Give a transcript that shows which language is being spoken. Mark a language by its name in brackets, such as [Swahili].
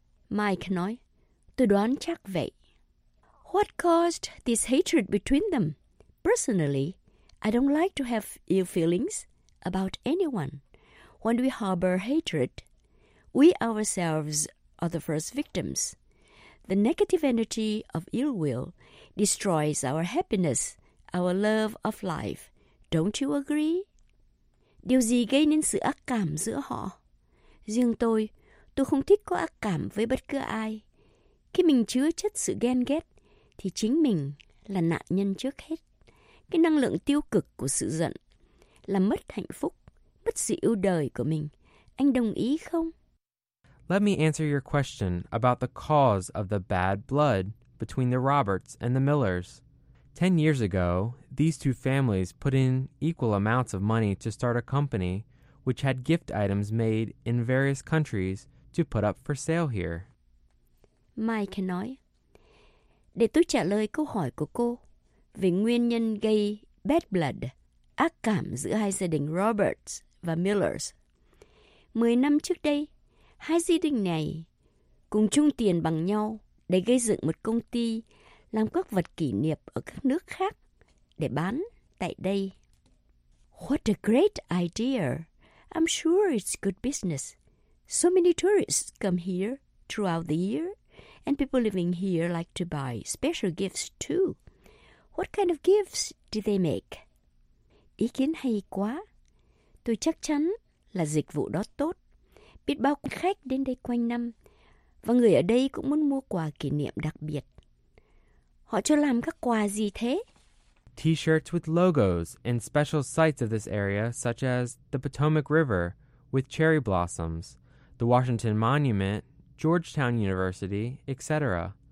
[Vietnamese] Mike nói, tôi đoán chắc vậy. [English] What caused this hatred between them? Personally, I don't like to have ill feelings about anyone. When we harbor hatred, we ourselves are the first victims. The negative energy of ill will destroys our happiness, our love of life. Don't you agree? [Vietnamese] Điều gì gây nên sự ác cảm giữa họ? Riêng tôi không thích có ác cảm với bất cứ ai. Khi mình chứa chất sự ghen ghét, thì chính mình là nạn nhân trước hết. Cái năng lượng tiêu cực của sự giận là mất hạnh phúc, mất sự yêu đời của mình. Anh đồng ý không? [English] Let me answer your question about the cause of the bad blood between the Roberts and the Millers. 10 years ago, these two families put in equal amounts of money to start a company which had gift items made in various countries to put up for sale here. [Vietnamese] Mike nói, để tôi trả lời câu hỏi của cô về nguyên nhân gây bad blood, ác cảm giữa hai gia đình Roberts và Millers. 10 năm trước đây, hai gia đình này cùng chung tiền bằng nhau để gây dựng một công ty làm các vật kỷ niệm ở các nước khác để bán tại đây. [English] What a great idea. I'm sure it's good business. So many tourists come here throughout the year, and people living here like to buy special gifts too. What kind of gifts do they make? [Vietnamese] Ý kiến hay quá. Tôi chắc chắn là dịch vụ đó tốt. Biết bao khách đến đây quanh năm, và người ở đây cũng muốn mua quà kỷ niệm đặc biệt. Họ cho làm các quà gì thế? [English] T-shirts with logos and special sites of this area, such as the Potomac River with cherry blossoms, the Washington Monument, Georgetown University, etc.